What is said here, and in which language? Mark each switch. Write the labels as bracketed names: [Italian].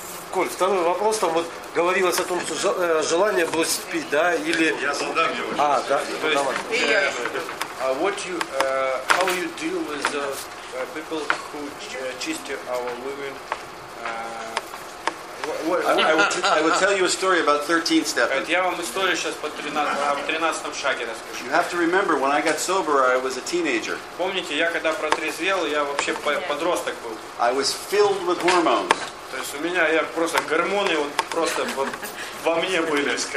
[Russian] Коль, второй вопрос, там вот говорилось о том, что желание было спить, да, или... Я задам его. [English] How you deal with the people who cheat our living? I will tell you a story about 13 step. [Russian] Я вам историю сейчас по 13-м шаге расскажу. [English] You have to remember, when I got sober, I was a teenager. [Russian] Помните, я когда протрезвел, я вообще подросток был. [English] I was filled with hormones. [Russian] То есть у меня я просто гормоны вот просто во мне были